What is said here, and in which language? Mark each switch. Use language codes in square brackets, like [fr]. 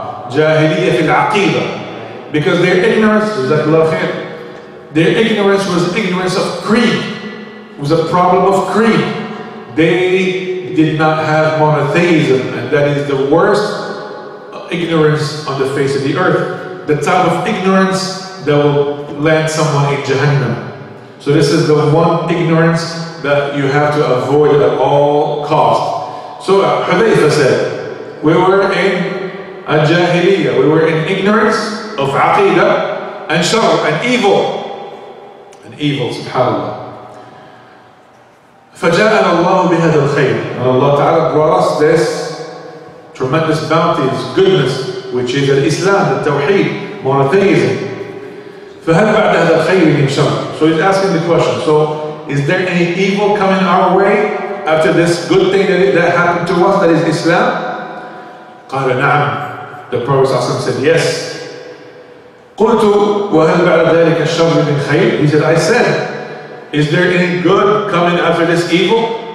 [ar] Jahiliyyah في العقيدة. [en] Because their ignorance, jazakallah khair, their ignorance was ignorance of creed. It was a problem of creed. They did not have monotheism, and that is the worst ignorance on the face of the earth. The type of ignorance that will land someone in Jahannam. So this is the one ignorance that you have to avoid at all costs. So Hudhayfa said, we were in a jahiliyyah, we were in ignorance of aqidah and shar, an evil, subhanAllah. [ar] فَجَاءَ اللَّهُ بِهَذَا الْخَيْرِ. [en] And Allah Ta'ala brought us this tremendous bounty, this goodness, which is al-Islam, al-Tawheed, monotheism. [ar] فَهَلْ بَعْدَ هَذَا الْخَيْرِ مِنْ شَرْ. [en] So he's asking the question. So is there any evil coming our way after this good thing that happened to us, that is Islam? [ar] قال نعم. [en] The Prophet ﷺ said yes. [ar] قلت وهل بعد ذلك الشر من خير. [en] He said, I said, is there any good coming after this evil?